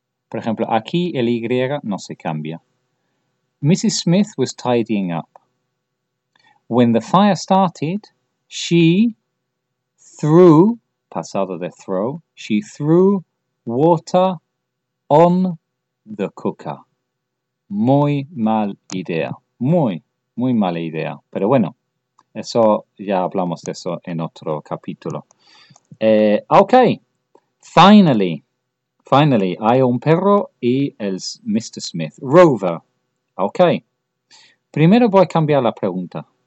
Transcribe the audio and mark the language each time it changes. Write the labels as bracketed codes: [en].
[es] Por ejemplo, aquí el Y no se cambia. [en] Mrs. Smith was tidying up. When the fire started, she threw, [es] pasado de [en] throw, she threw water on the cooker. [es] Muy mal idea. Muy, muy mala idea. Pero bueno, eso ya hablamos de eso en otro capítulo. [en] Okay, finally, [es] hay un perro y el Mr. Smith. Rover. Okay, primero voy a cambiar la pregunta.